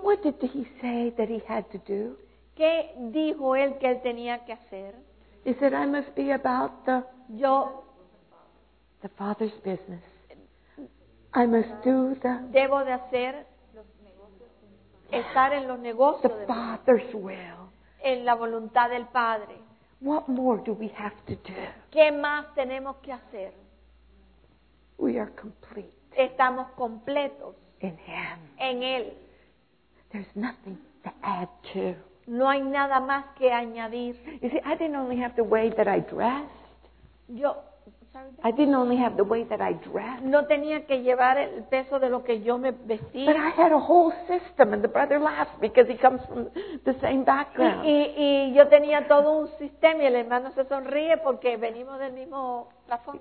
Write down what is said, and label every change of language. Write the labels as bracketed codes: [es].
[en] what did he say that he had to do? [es] ¿Qué dijo él que él tenía que hacer? [en] He said, I must be about the Father's business. I must do the... [es] Debo de hacer... Estar en los negocios [en] the Father's will. [es] En la voluntad del Padre. [en] What more do we have to do? [es] ¿Qué más tenemos que hacer? [en] We are complete. [es] Estamos completos. [en] In Him. [es] En Él. [en] There's nothing to add to. [es] No hay nada más que añadir. [en] You see, I didn't only have the way that I dressed. [es] Yo, [en] I didn't only have the way that I dressed. [es] No tenía que llevar el peso de lo que yo me vestí. [en] But I had a whole system, and the brother laughs because he comes from the same background. [es] Y yo tenía todo un sistema, y el hermano se sonríe porque venimos del mismo plafón.